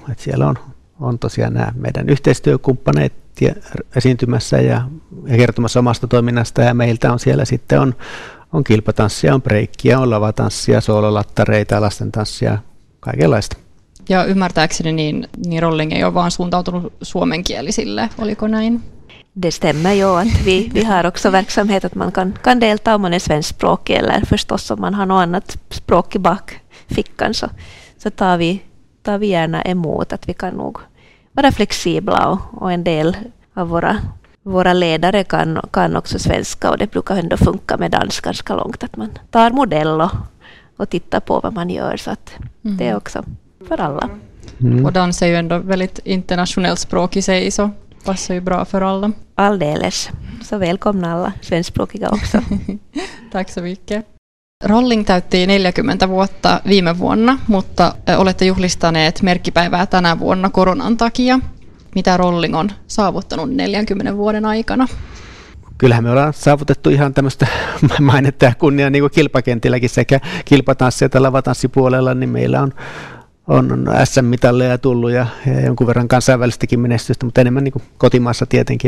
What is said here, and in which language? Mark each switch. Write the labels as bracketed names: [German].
[Finnish] Et siellä on tosiaan nämä meidän yhteistyökumppaneet esiintymässä ja kertomassa omasta toiminnasta. Ja meiltä on siellä sitten on kilpatanssia, on breikkiä, on lavatanssia, soololattareita, lastentanssia, kaikenlaista. Ja ymmärtääkseni niin Rolling ei ole vaan suuntautunut suomenkielisille, oliko näin? [Swedish] Det stämmer ju att vi har också verksamhet att man kan delta om man är svenskspråkig eller förstås om man har något annat språk i bakfickan så tar vi gärna emot att vi kan nog vara flexibla och en del av våra ledare kan också svenska och det brukar ändå funka med dansk ganska långt att man tar modell och tittar på vad man gör så att det är också för alla. Mm. Och dans är ju ändå väldigt internationellt språk i sig så. Passar ju bra för alla. Alldeles. Så välkomna alla svenskspråkiga också. Tack så mycket. [Finnish] Rolling täytti 40 vuotta viime vuonna, mutta olette juhlistaneet merkkipäivää tänä vuonna koronan takia. Mitä Rolling on saavuttanut 40 vuoden aikana? Kyllähän me ollaan saavutettu ihan tämmöistä mainetta ja kunniaa niin kuin kilpakentilläkin sekä kilpatanssi- että lavatanssipuolella, niin meillä on SM-mitalleja tullut ja jonkun verran kansainvälistäkin menestystä, mutta enemmän niin kuin kotimaassa tietenkin.